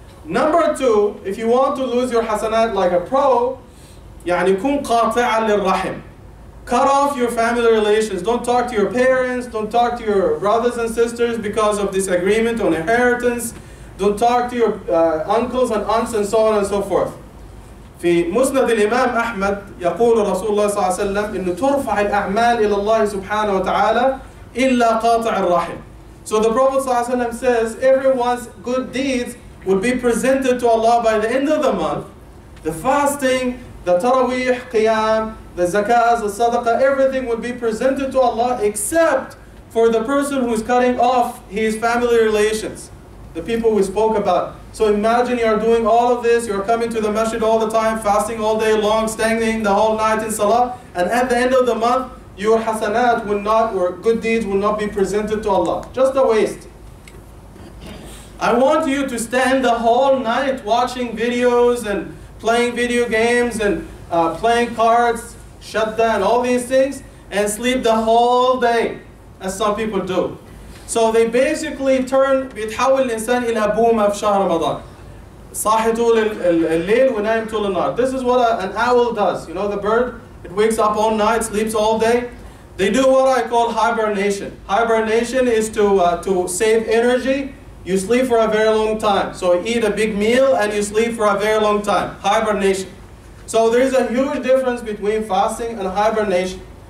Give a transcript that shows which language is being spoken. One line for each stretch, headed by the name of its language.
English: Number two, if you want to lose your hasanat like a pro,
Arabic: يعني كن قاطعاً للرحم.
English: Cut off your family relations. Don't talk to your parents, don't talk to your brothers and sisters because of disagreement on inheritance. Don't talk to your uncles and aunts and so on and so forth.
Arabic: في مسند الإمام أحمد يقول رسول الله صلى الله عليه وسلم إن ترفع الأعمال إلى الله سبحانه وتعالى إلا قاطع الرحم.
English: So the Prophet صلى الله عليه وسلم says everyone's good deeds would be presented to Allah by the end of the month. The fasting, the taraweeh, qiyam, the zakah, the sadaqah, everything would be presented to Allah except for the person who is cutting off his family relations, the people we spoke about. So imagine you are doing all of this, you are coming to the masjid all the time, fasting all day long, standing the whole night in salah, and at the end of the month, your hasanat will not, or good deeds will not be presented to Allah. Just a waste. I want you to stand the whole night watching videos and playing video games and playing cards, shadda, and all these things, and sleep the whole day, as some people do. So they basically turn
Arabic: بيتحول الإنسان إلى بومة في شهر رمضان. صاحي طول الليل ونايم طول النهار.
English: This is what an owl does. You know the bird? It wakes up all night, sleeps all day. They do what I call hibernation. Hibernation is to save energy. You sleep for a very long time. So you eat a big meal and you sleep for a very long time. Hibernation. So there is a huge difference between fasting and hibernation.